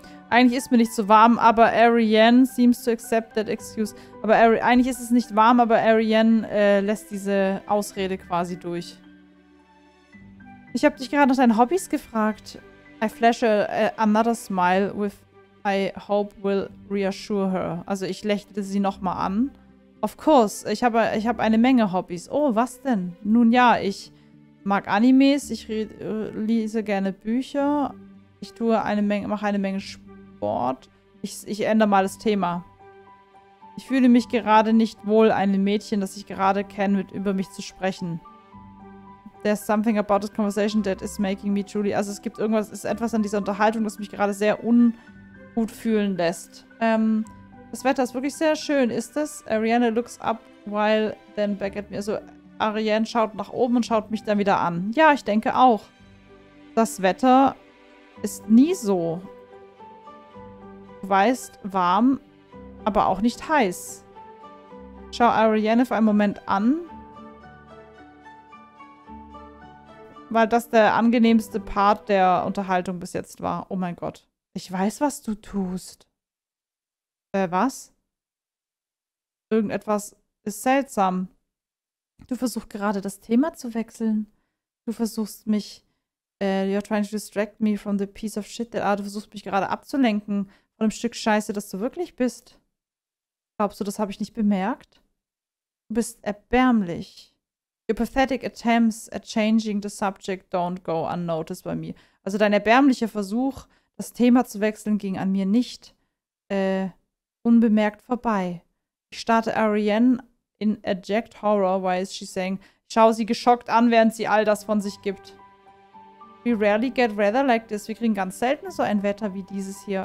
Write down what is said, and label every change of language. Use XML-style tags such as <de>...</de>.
<de>Eigentlich ist mir nicht so warm, aber Ariane</de> <en>seems to accept that excuse.</en> <de>Aber eigentlich ist es nicht warm, aber Ariane lässt diese Ausrede quasi durch. Ich habe dich gerade nach deinen Hobbys gefragt.</de> <en>I flash another smile with I hope will reassure her.</en> <de>Also ich lächelte sie nochmal an.</de> <en>Of course,</en> <de>ich habe eine Menge Hobbys. Oh, was denn? Nun ja, ich mag Animes, ich lese gerne Bücher. Ich tue mache eine Menge Sport. Ich ändere mal das Thema. Ich fühle mich gerade nicht wohl, einem Mädchen, das ich gerade kenne, mit über mich zu sprechen.</de> <en>There's something about this conversation that is making me truly...</en> <de>Also es gibt irgendwas, ist etwas an dieser Unterhaltung, das mich gerade sehr ungut fühlen lässt. Das Wetter ist wirklich sehr schön, ist es?</de> <en>Ariane looks up while then back at me.</en> <de>Also Ariane schaut nach oben und schaut mich dann wieder an. Ja, ich denke auch. Das Wetter ist nie so. Du weißt, warm, aber auch nicht heiß. Schau Ariane für einen Moment an. Weil das der angenehmste Part der Unterhaltung bis jetzt war. Oh mein Gott. Ich weiß, was du tust. Was? Irgendetwas ist seltsam. Du versuchst gerade das Thema zu wechseln. Du versuchst mich...</de> <en>you're trying to distract me from the piece of shit.</en> <de>Du versuchst mich gerade abzulenken von dem Stück Scheiße, das du wirklich bist. Glaubst du, das habe ich nicht bemerkt? Du bist erbärmlich.</de> <en>Your pathetic attempts at changing the subject don't go unnoticed by me.</en> <de>Also dein erbärmlicher Versuch, das Thema zu wechseln, ging an mir nicht unbemerkt vorbei. Ich starte Ariane</de> <en>in abject horror, why is she saying,</en> <de>ich schaue sie geschockt an, während sie all das von sich gibt.</de> <en>We rarely get weather like this.</en> <de>Wir kriegen ganz selten so ein Wetter wie dieses hier.</de>